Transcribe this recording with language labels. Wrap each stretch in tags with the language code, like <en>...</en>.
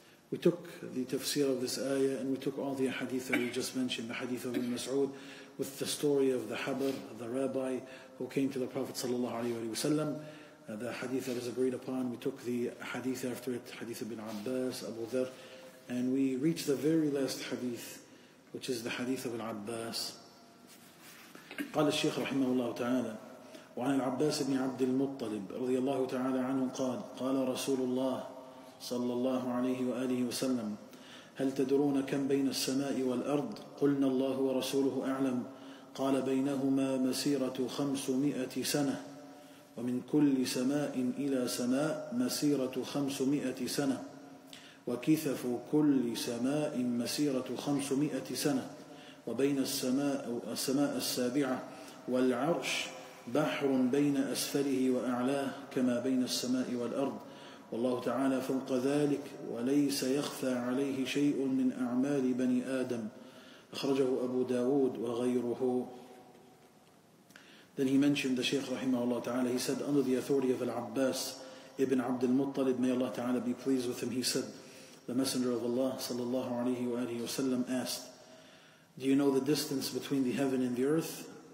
<en>We took the tafsir of this ayah, and we took all the hadith that we just mentioned, the hadith of Ibn Mas'ud, with the story of the Habr, the rabbi who came to the Prophet ﷺ. The hadith that is agreed upon, we took the hadith after it, hadith ibn Abbas, Abu Dhar, and we reached the very last hadith, which is the hadith of al-Abbas.</en> <ar>قال الشيخ رحمه الله تعالى وعن العباس بن عبد المطلب رضي الله تعالى عنه قال قال رسول الله صلى الله عليه وآله وسلم: هل تدرون كم بين السماء والأرض؟ قلنا الله ورسوله أعلم. قال: بينهما مسيرة 500 سنة، ومن كل سماء إلى سماء مسيرة 500 سنة، وكثف كل سماء مسيرة 500 سنة، وبين السماء السابعة والعرش بحر بين أسفله وأعلاه كما بين السماء والأرض، والله تعالى فوق ذلك، وليس يخفى عليه شيء من أعمال بني آدم. أخرجه أبو داود وغيره.</ar> <en>Then he mentioned, the Shaykh rahimahullah ta'ala, he said, under the authority of Al-Abbas ibn Abd al-Muttalib, may Allah ta'ala be pleased with him, he said, the Messenger of Allah sallallahu alayhi wa alayhi wa sallam asked, do you know the distance between the heaven and the earth?</en>